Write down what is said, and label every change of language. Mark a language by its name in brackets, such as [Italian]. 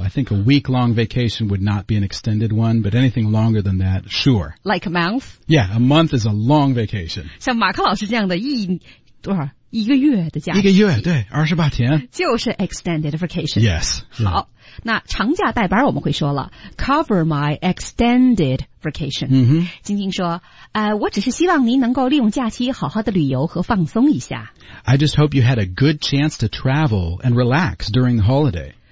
[English] I think a week-long vacation would not be an extended one, but anything longer than that, sure. Like a month? Yeah, a month is a long vacation. [Chinese] 像马克老师这样的一个月的假期。一个月，对，二十八天。就是 [English] extended vacation. Yes. [Chinese] 好，那长假代班我们会说了 , [English] cover my extended vacation. [Chinese] 晶晶说我只是希望您能够利用假期好好的旅游和放松一下。 [English] I just hope you had a good chance to travel and relax during the holiday.